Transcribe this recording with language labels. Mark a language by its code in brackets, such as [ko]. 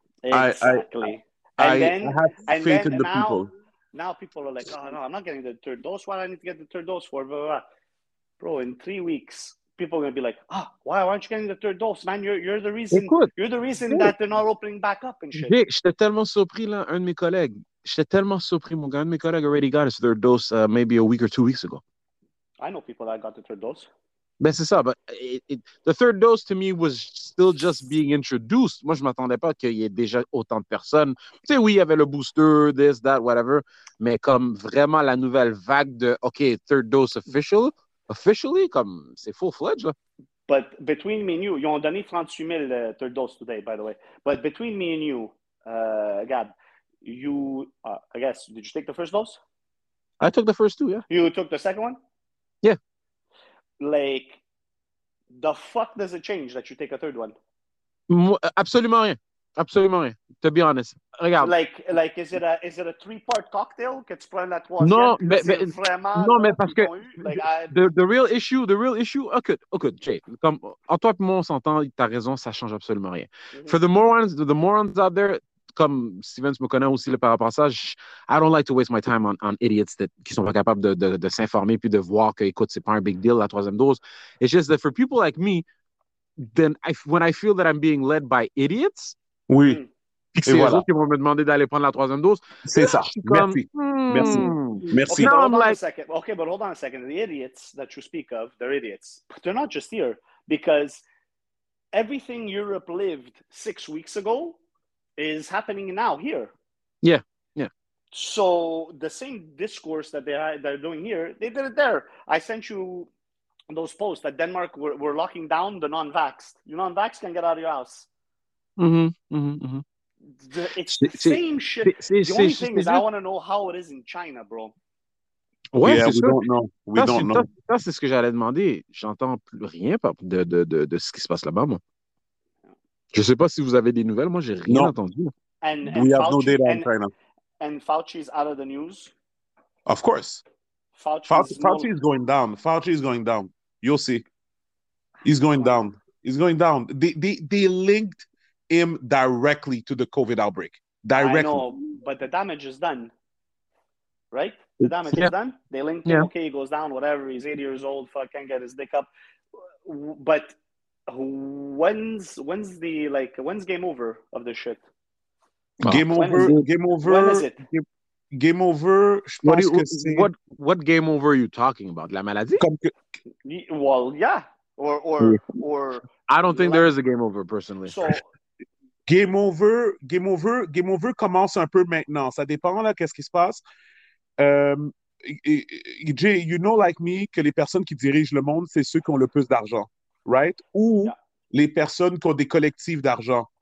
[en] Exactly. Now people are like, oh, no, I'm not getting the third dose. Why do I need to get the third dose for? Blah, blah, blah. Bro, in 3 weeks, people are going to be like, oh, why aren't you getting the third dose? Man, you're the reason. Écoute, you're the reason that they're not opening back up and shit. [fr] Vic, j'étais tellement surpris, là, un de mes collègues. J'étais tellement surpris, mon gars. Un de mes collègues [en] already got his third dose maybe a week or 2 weeks ago. I know people that got the third dose. [fr] Ben, c'est ça, [en] but the third dose to me was still just being introduced. [fr] Moi, je m'attendais pas qu'il y ait déjà autant de personnes. Tu sais, oui, il y avait le booster, [en] this, that, whatever. [fr] Mais comme vraiment la nouvelle vague de, OK, [en] third dose officially, [fr] comme c'est full-fledged. [en] But between me and you, [fr] ils ont donné [en] 38 000 third dose today, by the way. But between me and you, Gab, did you take the first dose? I took the first two, yeah. You took the second one? Yeah. Like, the fuck does it change that you take a third one? Absolutely nothing. Absolutely nothing. To be honest, regarde. Like is it a 3-part cocktail? [fr] Qu'est-ce que tu prends à toi? Non, mais vraiment. Non, mais parce que [en] the real issue. [fr] Okay, Jay. Comme Antoine et moi, on s'entend. T'as raison. Ça change absolument rien. Mm-hmm. [en] For the morons out there. [fr] Comme Stevens me connaît aussi par rapport à ça, [en] I don't like to waste my time on idiots [fr] qui sont pas capables de s'informer puis de voir que, écoute, c'est pas un big deal la troisième dose. [en] It's just that for people like me, when I feel that I'm being led by idiots, [fr] oui. Puis c'est eux qui vont me demander d'aller prendre la troisième dose. C'est ça. Merci. [en] Okay, but hold on a second. The idiots that you speak of, they're idiots. But they're not just here because everything Europe lived 6 weeks ago is happening now here. Yeah, yeah. So the same discourse that they're doing here, they did it there. I sent you those posts that Denmark were locking down the non-vaxxed. You non-vaxxed can get out of your house. Mm-hmm, mm-hmm, mm-hmm. It's the same shit. The only thing is I want to know how it is in China, bro. Ouais, yeah, we don't know. [fr] Ça, c'est ce que j'allais demander. J'entends plus rien de ce qui se passe là-bas, moi. Je ne sais pas si vous avez des nouvelles. Moi, j'ai rien entendu. [en] And Fauci is out of the news. Of course. Fauci is going down. Fauci is going down. You'll see. He's going down. He's going down. They linked him directly to the COVID outbreak. Directly. I know, but the damage is done. Right? The damage is done. They linked him. Okay, he goes down, whatever. He's 80 years old. Fuck, can't get his dick up. But when's game over of this shit? What game over are you talking about? [fr] La maladie? [en] I don't think there is a game over personally. So [fr] game over commence un peu maintenant. Ça dépend là qu'est-ce qui se passe. Jay, [en] you know like me [fr] que les personnes qui dirigent le monde, c'est ceux qui ont le plus d'argent, right? Ou les personnes qui ont des collectifs d'argent.